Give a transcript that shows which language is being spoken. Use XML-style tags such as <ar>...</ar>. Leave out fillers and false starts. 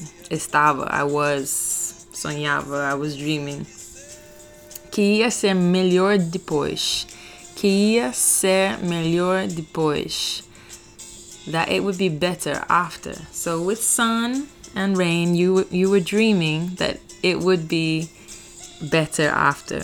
<en>Estava, I was, sonhava, I was dreaming.</en> <pt>Que ia ser melhor depois. Que ia ser melhor depois.</pt> <en>That it would be better after. So with sun and rain, you were dreaming that it would be better after.</en>